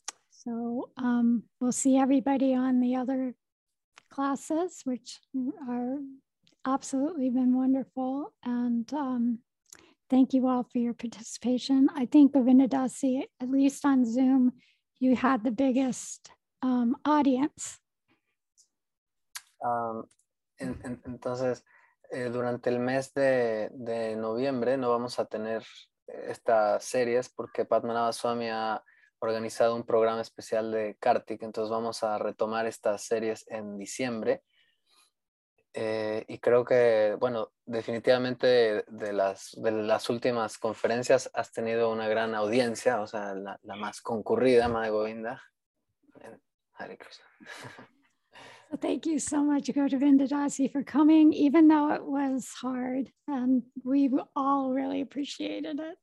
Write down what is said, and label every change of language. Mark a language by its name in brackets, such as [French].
[English] So we'll see everybody on the other classes, which are absolutely been wonderful. And thank you all for your participation. I think Govinda Dasi, at least on Zoom, you had the biggest audience. [Spanish] Entonces, durante el mes de noviembre no vamos a tener estas series porque Padmanabha Swami ha organizado un programa especial de Kartik. Entonces vamos a retomar estas series en diciembre. Y creo que, bueno, definitivamente de las últimas conferencias has tenido una gran audiencia, o sea, la más concurrida, Madre Govinda. [Sanskrit] Hare Krishna. [English] Thank you so much, Govinda Dasi, for coming, even though it was hard, and we all really appreciated it.